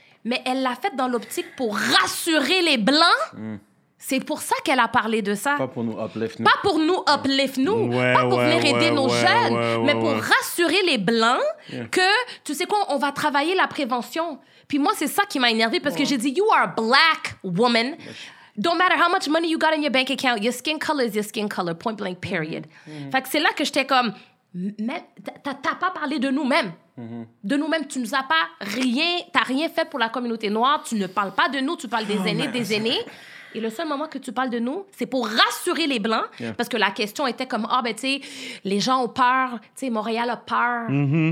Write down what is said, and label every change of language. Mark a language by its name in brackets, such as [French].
[French] Mais elle l'a fait dans l'optique pour rassurer les Blancs. C'est pour ça qu'elle a parlé de ça. Pas pour nous uplift nous. Pas pour nous uplift nous. Ouais, pas pour venir aider nos jeunes. Ouais, mais pour rassurer les Blancs que, tu sais quoi, on va travailler la prévention. Puis moi, c'est ça qui m'a énervée parce que j'ai dit, [English] you are a black woman. Don't matter how much money you got in your bank account, your skin color is your skin color, point blank, period. [French] Fait que c'est là que j'étais comme, mais t'as pas parlé de nous-mêmes. De nous-mêmes, tu nous as pas rien, t'as rien fait pour la communauté noire, tu ne parles pas de nous, tu parles des aînés. Et le seul moment que tu parles de nous, c'est pour rassurer les Blancs, yeah. parce que la question était comme, ah, ben, tu sais, les gens ont peur, tu sais, Montréal a peur, mm-hmm.